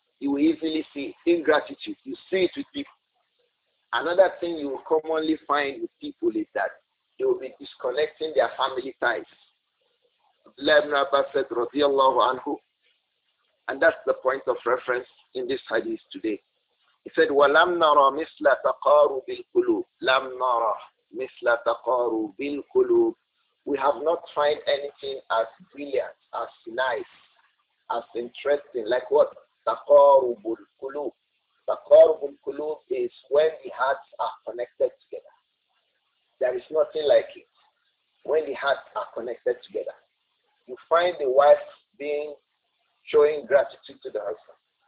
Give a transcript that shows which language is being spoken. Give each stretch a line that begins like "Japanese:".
English: You will easily see ingratitude. You see it with people. Another thing you will commonly find with people is that they will be disconnecting their family ties. Abdullah ibn Abbas said, radiallahu anhu, and that's the point of reference in this hadith today.
Arabic: He said, وَلَمْ نَرَى مِثْلَ تَقَارُبِ الْقُلُوبِ لَمْ نَرَى مِثْلَ تَقَارُبِ الْقُلُوبِ.
English: We have not found anything as brilliant, as nice, as interesting, like what?
Arabic: تَقَارُبُ الْقُلُوبِ. تَقَارُبُ الْقُلُوبِ
English: is when the hearts are connected together. There is nothing like it. When the hearts are connected together, you find the wife being showing gratitude to the husband.